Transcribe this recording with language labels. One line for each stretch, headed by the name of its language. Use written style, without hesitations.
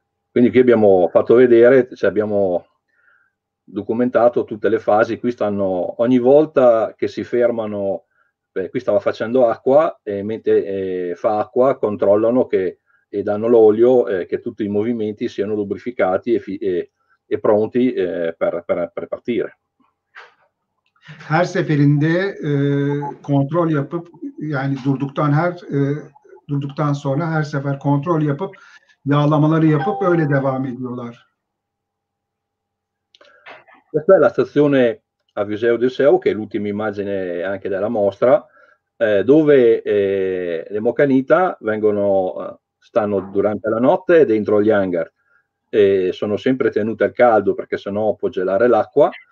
Italian: Quindi qui abbiamo fatto vedere, cioè abbiamo documentato tutte le fasi, qui stanno ogni volta che si fermano, qui stava facendo acqua e mentre fa acqua controllano che e danno l'olio, che tutti i movimenti siano lubrificati e pronti per partire.
Turkish: Her seferinde kontrol yapıp yani durduktan sonra her sefer kontrol yapıp yağlamaları yapıp öyle devam ediyorlar.
Italian: Questa è la stazione a Viseu del Seu, che è l'ultima immagine anche della mostra, dove le Mocanita vengono, stanno durante la notte dentro gli hangar. E sono sempre tenute al caldo perché sennò può gelare l'acqua.